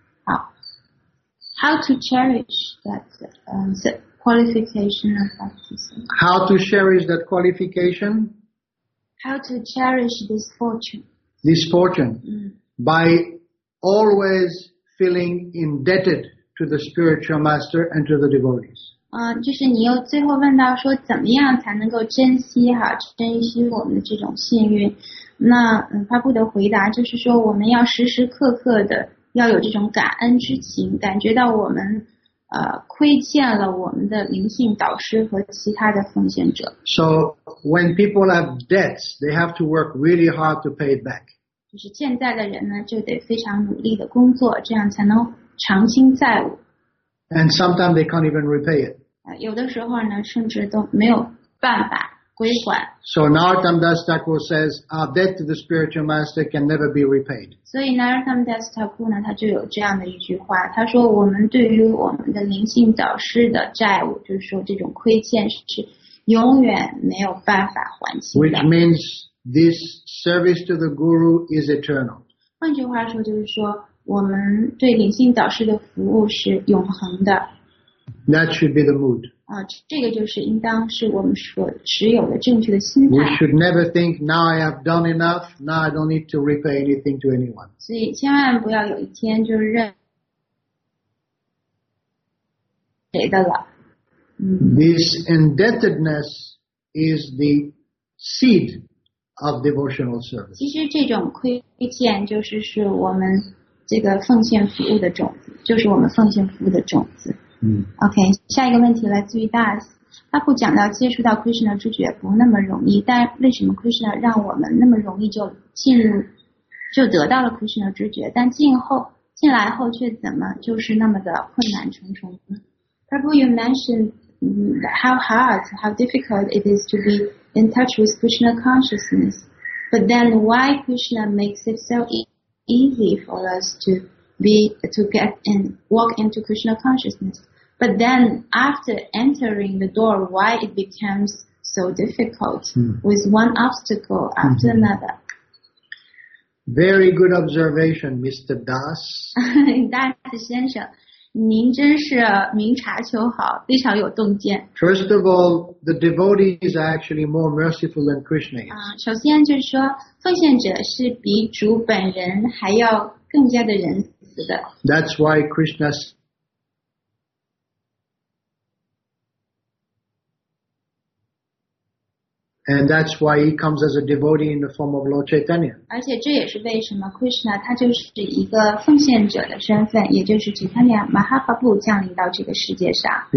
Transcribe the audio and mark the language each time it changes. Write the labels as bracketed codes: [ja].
[en] 好。How to cherish that qualification of baptism? How to cherish that qualification? How to cherish this fortune? This fortune. By always feeling indebted to the spiritual master and to the devotees. [zh] 就是你又最后问到说怎么样才能够珍惜哈，珍惜我们的这种幸运。那发布的回答就是说我们要时时刻刻的要有这种感恩之情，感觉到我们亏欠了我们的灵性导师和其他的奉献者。 [en] So when people have debts, they have to work really hard to pay it back. [zh] 就是欠债的人呢，就得非常努力的工作，这样才能偿清债务。 [en] And sometimes they can't even repay it. [zh] 有的时候呢，甚至都没有办法归还。 [en] So Narottam Das Thakur says, our debt to the spiritual master can never be repaid. [zh] 所以 Narottam Das Thakur 呢，他就有这样的一句话，他说我们对于我们的灵性导师的债务，就是说这种亏欠是永远没有办法还清的。 [en] Which means this service to the guru is eternal. [zh] 换句话说，就是说我们对灵性导师的服务是永恒的。 [en] That should be the mood. [zh] 这个就是应当是我们所持有的正确的心态。 [en] We should never think now I have done enough, now I don't need to repay anything to anyone. [zh] 所以千万不要有一天就认谁的了。 [en] This indebtedness is the seed of devotional service. [zh] 其实这种亏欠就是是我们这个奉献服务的种子，就是我们奉献服务的种子。 OK， 下一个问题来自于 Das。阿布讲到接触到 Krishna 之觉不那么容易，但为什么 Krishna 让我们那么容易就进入就得到了 Krishna 之觉，但进来后却怎么就是那么的困难重重呢？ [en] Prabhu, you mentioned how difficult it is to be in touch with Krishna consciousness, but then why Krishna makes it so easy for us to get and walk into Krishna consciousness, but then after entering the door, why it becomes so difficult with one obstacle after another? Very good observation, Mr. Das. [zh] Das 先生，您真是明察秋毫，非常有洞见。 [en] First of all, the devotees are actually more merciful than Krishna is. [zh] 首先就是说，奉献者是比主本人还要更加的仁。 [en] That's why Krishna and that's why he comes as a devotee in the form of Lord Chaitanya. [zh] 而且这也是为什么 Krishna 他就是一个奉献者的身份，也就是 Chaitanya Mahaprabhu 降临到这个世界上。